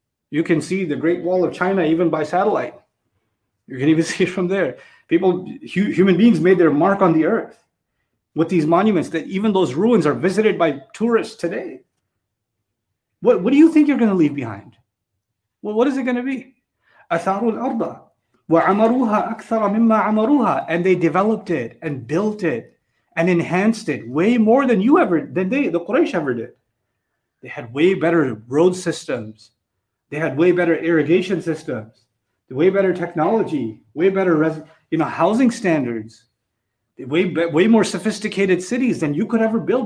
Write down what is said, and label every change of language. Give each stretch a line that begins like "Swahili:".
English: You can see the Great Wall of China even by satellite. You can even see it from there. People, human beings made their mark on the earth with these monuments, that even those ruins are visited by tourists today. What do you think you're going to leave behind? Well, what is it going to be?
Arabic: أَثَارُوا الْأَرْضَ وَعَمَرُوهَا أَكْثَرَ مِمَّا عَمَرُوهَا.
English: And they developed it and built it and enhanced it way more than you ever, than they, the Quraysh ever did. They had way better road systems. They had way better irrigation systems, way better technology, way better housing standards, way more sophisticated cities than you could ever build.